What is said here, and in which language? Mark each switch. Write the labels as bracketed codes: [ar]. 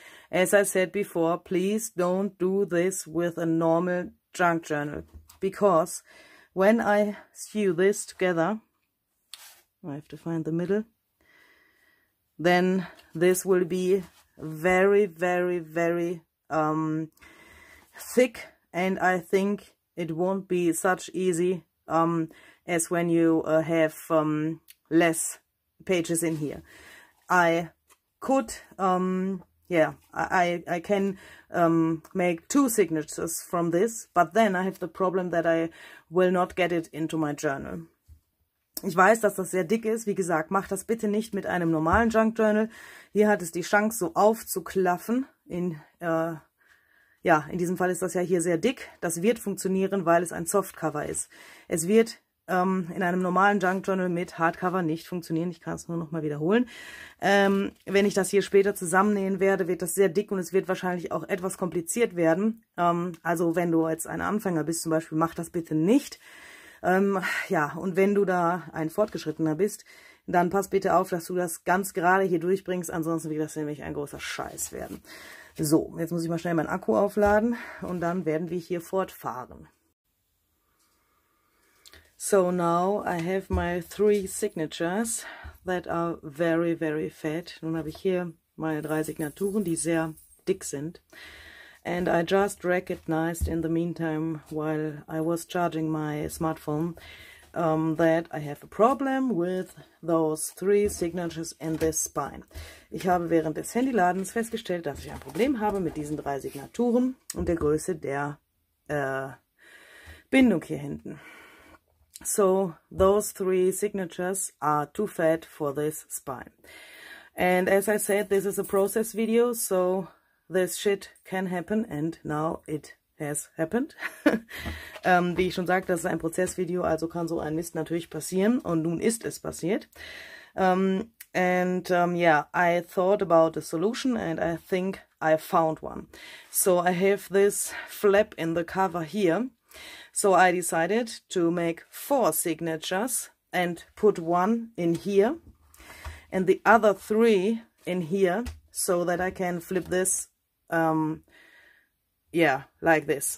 [en] As I said before, please don't do this with a normal junk journal, because when I sew this together, I have to find the middle, then this will be very, very, very thick, and I think it won't be such easy as when you have less pages in here. I could I can make two signatures from this, but then I have the problem that I will not get it into my journal. [de] Ich weiß, dass das sehr dick ist. Wie gesagt, mach das bitte nicht mit einem normalen Junk Journal. Hier hat es die Chance, so aufzuklaffen. In diesem Fall ist das ja hier sehr dick. Das wird funktionieren, weil es ein Softcover ist. Es wird in einem normalen Junk Journal mit Hardcover nicht funktionieren. Ich kann es nur nochmal wiederholen. Wenn ich das hier später zusammennähen werde, wird das sehr dick und es wird wahrscheinlich auch etwas kompliziert werden. Also wenn du jetzt ein Anfänger bist zum Beispiel, mach das bitte nicht. Und wenn du da ein Fortgeschrittener bist, dann pass bitte auf, dass du das ganz gerade hier durchbringst, ansonsten wird das nämlich ein großer Scheiß werden. So, jetzt muss ich mal schnell meinen Akku aufladen und dann werden wir hier fortfahren. [en] So, now I have my three signatures that are very, very fat. [de] Nun habe ich hier meine drei Signaturen, die sehr dick sind. [en] And I just recognized in the meantime, while I was charging my smartphone, that I have a problem with those three signatures and this spine. [de] Ich habe während des Handyladens festgestellt, dass ich ein Problem habe mit diesen drei Signaturen und der Größe der Bindung hier hinten. [en] So those three signatures are too fat for this spine. And as I said, this is a process video, so this shit can happen, and now it has happened. [de] wie ich schon sagte, das ist ein Prozessvideo, also kann so ein Mist natürlich passieren, und nun ist es passiert. [en] Yeah, I thought about a solution and I think I found one. So I have this flap in the cover here. So I decided to make four signatures and put one in here and the other three in here so that I can flip this, yeah, like this.